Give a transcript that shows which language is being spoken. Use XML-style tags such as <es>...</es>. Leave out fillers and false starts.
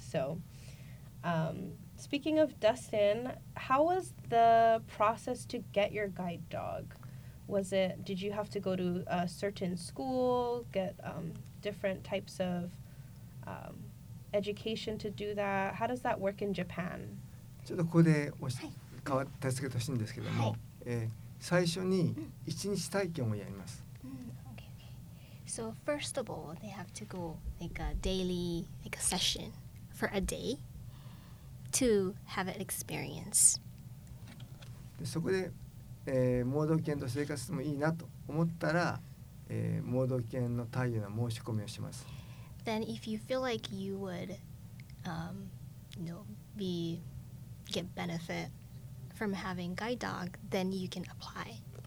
<en>So speaking of Dustin, how was the process to get your guide dog? Was it, did you have to go to a certain school, get different types of education to do that? How does that work in Japan?</en> <ja>ちょっとここで変わって助けてほしいんですけども、最初に一日体験をやります。</ja> <en>So first of all, they have to go like a daily like a session for a day to have an experience.</en> <ja>でそこで、盲導犬と生活してもいいなと思ったら、盲導犬の体験の申し込みをします。</ja> <en>Then if you feel like you would, you know, be get benefit from having guide dog, then you can apply.</en>